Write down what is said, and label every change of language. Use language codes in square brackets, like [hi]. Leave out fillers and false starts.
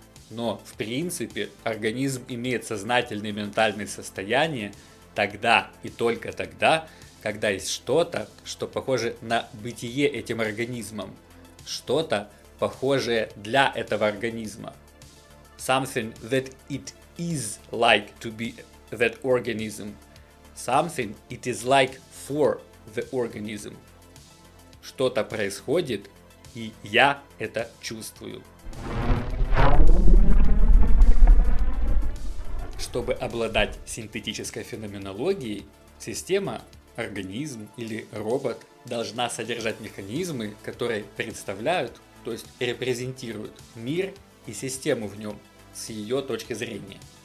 [ru] Но, в принципе, организм имеет сознательное и ментальное состояние тогда и только тогда, когда есть что-то, что похоже на бытие этим организмом. Что-то, похожее для этого организма. [en] Something that it is like to be that organism. Something it is like for the organism. [ru] Что-то происходит, и я это чувствую. Чтобы обладать синтетической феноменологией, система, организм или робот должна содержать механизмы, которые представляют, то есть репрезентируют мир и систему в нем с ее точки зрения.